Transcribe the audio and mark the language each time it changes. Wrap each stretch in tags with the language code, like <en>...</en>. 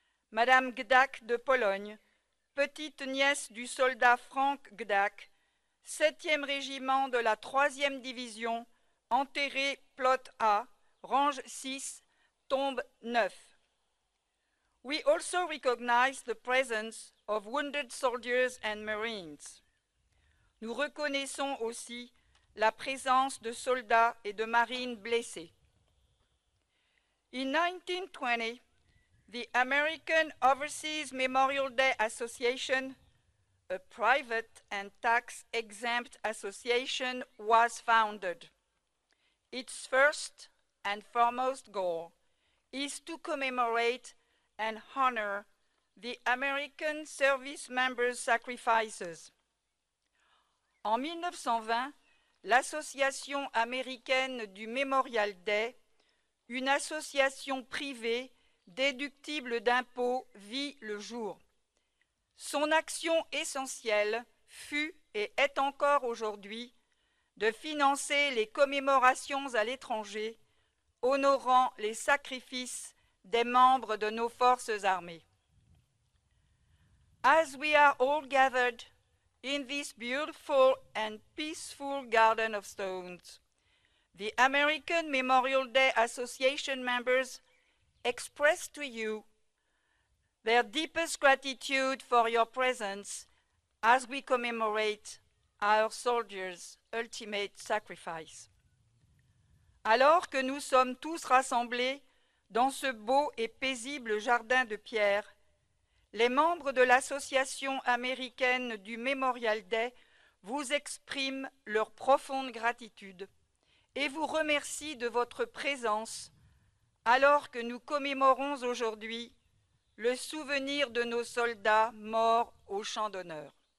<fr>Madame Gdak de Pologne, petite nièce du soldat Frank Gdak, 7e Régiment de la 3e Division, enterré Plot A, range 6, tombe 9.</fr> <en>We also recognize the presence of wounded soldiers and marines.</en> <fr>Nous reconnaissons aussi la présence de soldats et de marines blessés.</fr> <en>In 1920, the American Overseas Memorial Day Association, a private and tax-exempt association, was founded. Its first and foremost goal is to commemorate and honor the American service members' sacrifices.</en> <fr>En 1920, l'Association américaine du Memorial Day, une association privée déductible d'impôts, vit le jour. Son action essentielle fut et est encore aujourd'hui de financer les commémorations à l'étranger, honorant les sacrifices des membres de nos forces armées.</fr> <en>As we are all gathered in this beautiful and peaceful Garden of Stones, the American Memorial Day Association members express to you their deepest gratitude for your presence as we commemorate our soldiers' ultimate sacrifice.</en> <fr>Alors que nous sommes tous rassemblés dans ce beau et paisible jardin de pierre, les membres de l'Association américaine du Memorial Day vous expriment leur profonde gratitude et vous remercient de votre présence alors que nous commémorons aujourd'hui le souvenir de nos soldats morts au champ d'honneur.</fr>